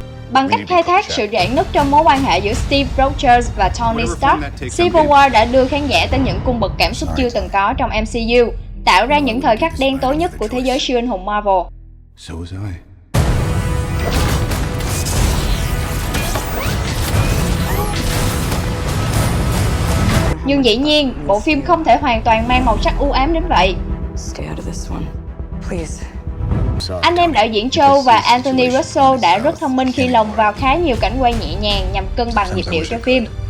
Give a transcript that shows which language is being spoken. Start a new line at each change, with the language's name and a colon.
Vietnamese: Bằng cách khai thác sự rạn nứt trong mối quan hệ giữa Steve Rogers và Tony Stark, Civil War đã đưa khán giả tới những cung bậc cảm xúc chưa từng có trong MCU, tạo ra những thời khắc đen tối nhất của thế giới siêu anh hùng Marvel. Nhưng dĩ nhiên, bộ phim không thể hoàn toàn mang màu sắc u ám đến vậy.
English: Stay out of this one, please.
Vietnamese: Anh em đạo diễn Joe và Anthony Russo đã rất thông minh khi lồng vào khá nhiều cảnh quay nhẹ nhàng nhằm cân bằng nhịp điệu cho phim.